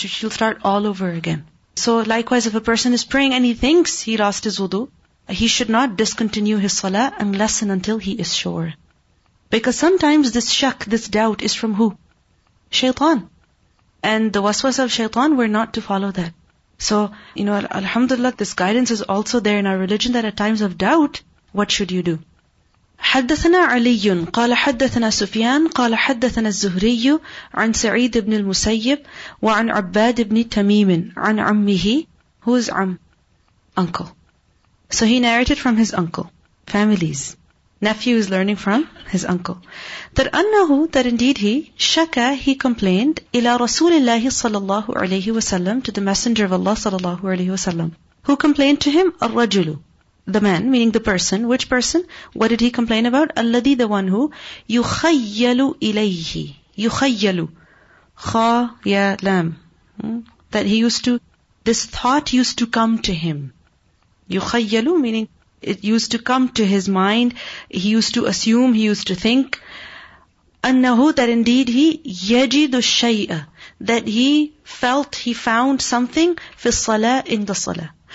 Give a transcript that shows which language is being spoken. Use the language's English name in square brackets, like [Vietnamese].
[English] So she'll start all over again. So likewise, if a person is praying and he thinks he lost his wudu, he should not discontinue his salah unless and until he is sure. Because sometimes this shak, this doubt is from who? Shaitan. And the waswas of shaitan were not to follow that. So, you know, alhamdulillah, this guidance is also there in our religion that at times of doubt, what should you do? [Arabic] حدثنا علي قال حدثنا سفيان قال حدثنا الزهري عن سعيد بن المسيب وعن عباد بن تميم عن عمه. [English] Who is عم? Uncle. So he narrated from his uncle. Families. Nephew is learning from his uncle. That [Arabic] أنه, [English] that indeed he, [Arabic] شكا, [English] he complained, [Arabic] إلى رسول الله صلى الله عليه وسلم, [English] to the Messenger of Allah صلى الله عليه وسلم. Who complained to him? [Arabic] الرجل. [English] The man, meaning the person. Which person? What did he complain about? [Arabic] الذي, [English] the one who, [Arabic] يخيل إليه. يخيل. خيالام. [English] That he used to, this thought used to come to him. [Arabic] يخيل, [English] meaning, it used to come to his mind. He used to assume, he used to think. [Arabic] أَنَّهُ, [English] that indeed he, [Arabic] يَجِدُ الشَّيْءَ, [English] that he felt, he found something, [Arabic] فِي الصَّلَاةِ, [English] in the salah.